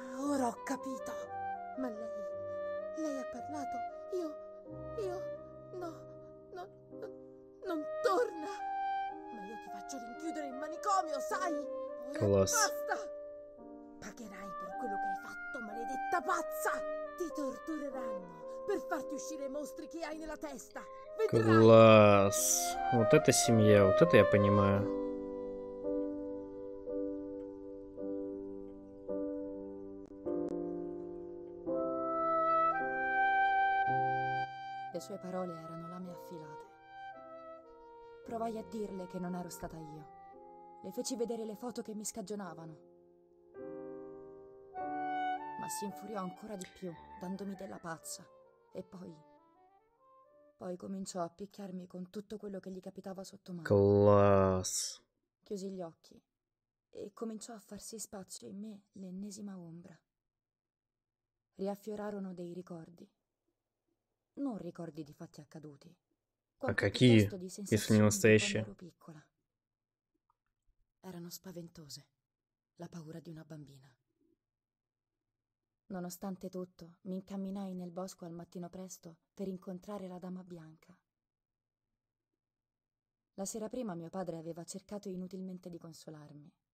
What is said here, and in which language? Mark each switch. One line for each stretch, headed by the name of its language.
Italian: Ora ho capito. Ma lei... Lei ha parlato. Io... No... Non torna. Ma io ti faccio rinchiudere in manicomio, sai?
Russian: Класс.
Italian: Basta! Pagherai per quello che hai fatto, maledetta pazza! Ti tortureranno per farti uscire i mostri che hai nella testa.
Russian: Класс. Вот это семья, вот это я понимаю.
Italian: Le sue parole erano lame affilate. Provai a dirle che non ero stata io. Le feci vedere le foto che mi scagionavano. Ma si infuriò ancora di più, dandomi della pazza. E poi... Poi cominciò a picchiarmi con tutto quello che gli capitava sotto mano.
Russian: Class.
Italian: Chiusi gli occhi. E cominciò a farsi spazio in me l'ennesima ombra. Riaffiorarono dei ricordi. Non ricordi di fatti accaduti.
Russian: Ma какие, если не настоящие?
Italian: Erano spaventose, la paura di una bambina. Nonostante tutto, mi incamminai nel bosco al mattino presto per incontrare la Dama Bianca. La sera prima mio padre aveva cercato inutilmente di consolarmi.